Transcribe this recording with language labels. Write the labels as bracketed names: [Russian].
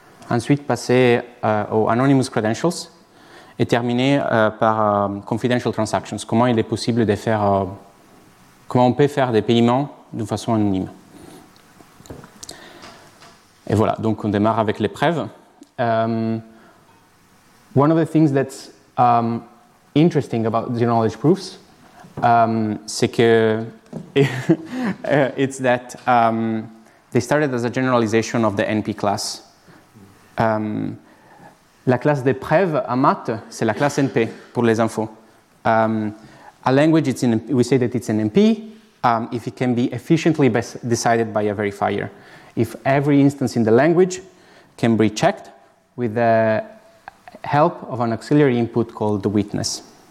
[French] Ensuite, passer aux [English] anonymous credentials [French] et terminer par [English] confidential transactions. [French] Comment il est possible de faire, comment on peut faire des paiements d'une façon anonyme. Et voilà, donc on démarre avec les preuves. [English] One of the things that's interesting about zero knowledge proofs, [French] c'est que [English] it's that they started as a generalization of the NP class. [French] La classe des preuves en maths, c'est la classe NP pour les infos. [English] A language, we say that it's an NP if it can be efficiently decided by a verifier. If every instance in the language can be checked with the help of an auxiliary input called the witness.